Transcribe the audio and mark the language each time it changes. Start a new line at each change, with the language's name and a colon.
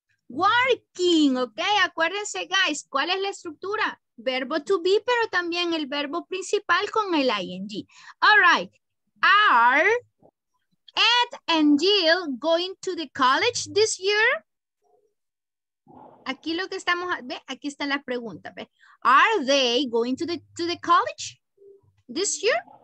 English: Working, ok,
Spanish: acuérdense, guys, ¿cuál es la estructura? Verbo to be, pero también el verbo principal con el ing.
English: All right, are Ed and Jill going to the college this year?
Spanish: Aquí lo que estamos, ve, aquí está la pregunta, ve.
English: Are they going to the college this year?